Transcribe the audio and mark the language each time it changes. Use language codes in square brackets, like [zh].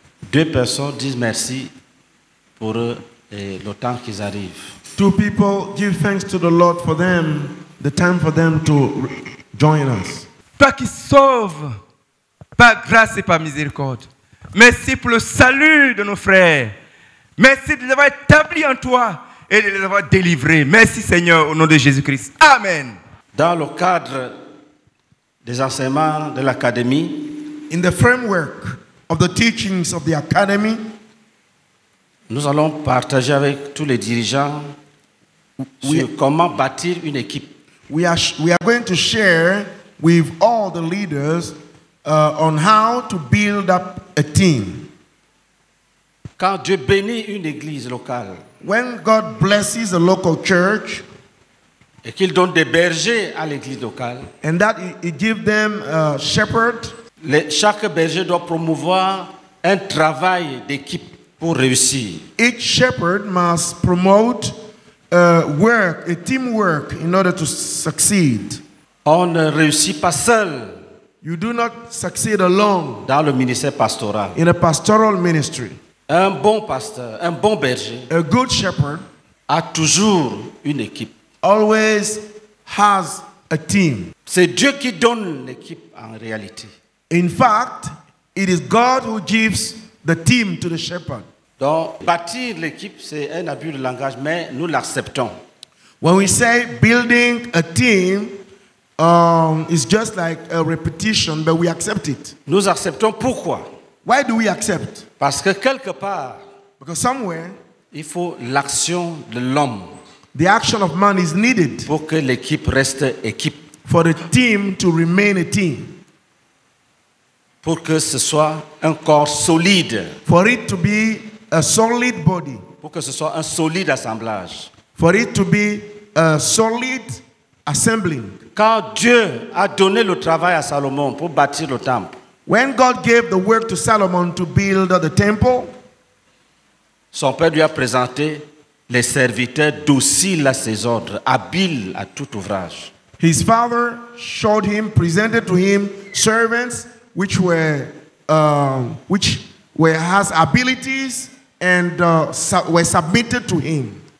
[fr] Deux personnes disent merci pour eux et le temps qu'ils arrivent. [en] Two people give thanks to the Lord for them, the time for them to join us. [fr] Toi qui sauves par grâce et par miséricorde, merci pour le salut de nos frères. Merci de les avoir établis en toi et de les avoir délivrés. Merci Seigneur au nom de Jésus-Christ. Amen. Dans le cadre des enseignements de l'académie. [en] In the framework of the teachings of the academy, [fr] nous allons partager avec tous les dirigeants sur comment bâtir une équipe. [en] We are going to share with all the leaders on how to build up a team. [fr] Quand Dieu bénit une église locale. [en] When God blesses a local church. [fr] Et qu'il donne des bergers à l'église locale. [en] And that he give them a shepherd. [fr] Chaque berger doit promouvoir un travail d'équipe pour réussir. [en] Each shepherd must promote work, a teamwork in order to succeed. [fr] On ne réussit pas seul. [en] You do not succeed alone. [fr] Dans le ministère pastoral. [en] In a pastoral ministry. [fr] Un bon pasteur, un bon berger. [en] A good shepherd. [fr] A toujours une équipe. [en] Always has a team. [fr] C'est Dieu qui donne l'équipe en réalité. [en] In fact, it is God who gives the team to the shepherd. [fr] Donc, bâtir l'équipe, c'est un abus de langage, mais nous l'acceptons. [en] When we say building a team, it's just like a repetition, but we accept it. [fr] Nous acceptons pourquoi? [en] Why do we accept? [fr] Parce que quelque part, [en] because somewhere, [fr] il faut l'action de l'homme. [en] The action of man is needed [fr] pour que l'équipe reste équipe. [en] For the team to remain a team. [fr] Pour que ce soit un corps solide. [en] For it to be a solid body. [fr] Pour que ce soit un solide assemblage. [en] For it to be a solid assembling. [fr] Quand Dieu a donné le travail à Salomon pour bâtir le temple. [en] When God gave the work to Solomon to build the temple. [fr] Son père lui a présenté les serviteurs dociles à ses ordres, habiles à tout ouvrage. [en] His father showed him, presented to him servants which were has abilities and were submitted to him.